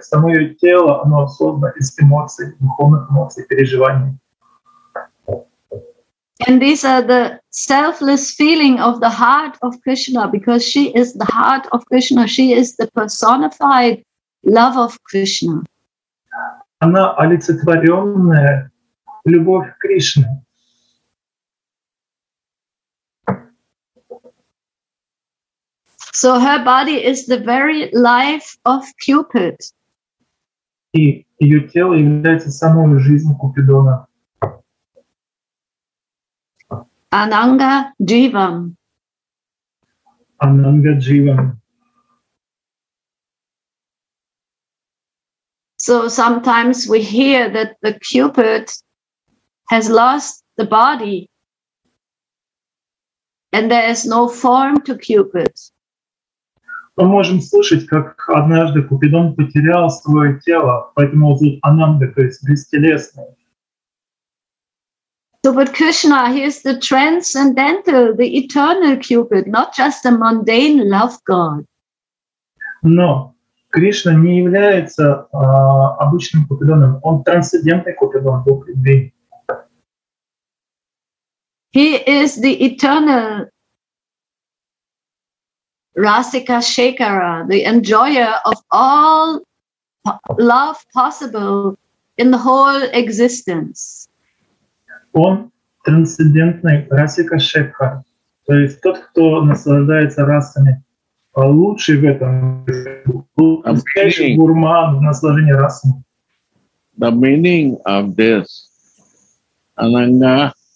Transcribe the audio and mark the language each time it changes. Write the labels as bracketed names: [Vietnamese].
[Russian] Само ее тело, оно создано из эмоций, духовных эмоций, переживаний. [English] And these are the selfless feeling of the heart of Krishna, because she is the heart of Krishna, she is the personified love of Krishna. [Russian] Она олицетворенная любовь Кришны. [English] So her body is the very life of Cupid. [Russian] И ее тело является самой жизнью Купидона. [Sanskrit] Ananga Jivam. Ananga Jivam. [English] So sometimes we hear that the Cupid has lost the body and there is no form to Cupid. [Russian] Мы можем слышать, как однажды Купидон потерял свое тело, поэтому он зовут Ананда, то есть бестелесный. [English] So, but Krishna, he is the transcendental, the eternal Cupid, not just a mundane love god. [Russian] Но Кришна не является обычным Купидоном, он трансцендентный Купидон, Бог любви. [English] He is the eternal Rasika Shekara, the enjoyer of all love possible in the whole existence. [Russian] Он трансцендентный Расика Шекхара, то есть тот, кто наслаждается расами, а лучший в этом гурман в наслаждении расами. [English] The meaning of this Ananga